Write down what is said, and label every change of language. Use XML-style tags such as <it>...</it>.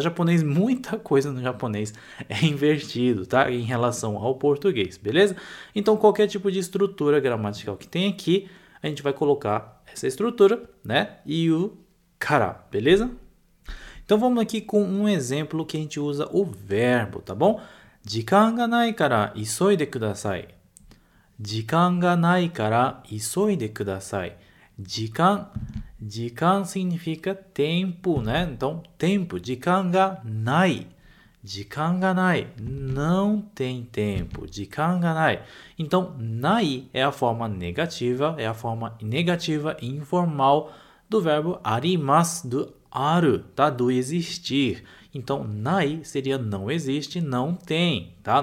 <pt>Japonês, muita coisa no japonês é invertido, tá? Em relação ao português, beleza? Então qualquer tipo de estrutura gramatical que tem aqui, a gente vai colocar essa estrutura, né? E o kara, beleza? Então vamos aqui com um exemplo que a gente usa o verbo, tá bom?</pt> <ja>時間がないから急いでください。時間がないから急いでください。</ja> <pt>時間、時間 significa tempo, né? Então, tempo,</pt> <ja>時間がない。時間がない。</ja> <pt>Não tem tempo.</pt> <ja>時間がない。</ja> <pt>Então, ない é a forma negativa, é a forma negativa informal do verbo arimasu, do aru, tá? Do existir. Então, nai seria não existe, não tem, tá?</pt>